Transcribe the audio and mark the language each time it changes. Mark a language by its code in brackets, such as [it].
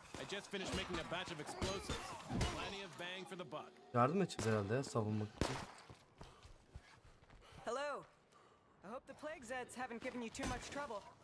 [en] I just finished making a batch of explosives. Plenty of bang for the buck. [tr] Yardım edeceğiz herhalde ya, savunmak için. [en] Hello. I hope the plague zeds haven't given you too much trouble.